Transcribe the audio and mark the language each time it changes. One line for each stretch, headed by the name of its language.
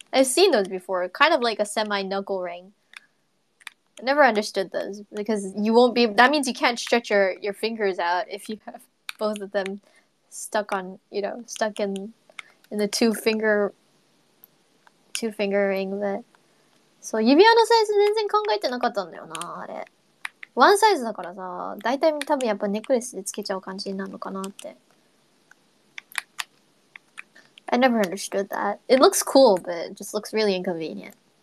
English: I've seen those before, kind of like a semi knuckle ring. I never understood those because you won't be, that means you can't stretch your fingers out if you have both of them stuck on, you know, stuck in the two finger ring.
Japanese: But so 指輪のサイズ全然考えてなかったんだよなあれ。ワンサイズだからさ、大体多分やっぱネックレスでつけちゃう感じになるのかなって。
English: I never understood that. It looks cool, but it just looks really inconvenient.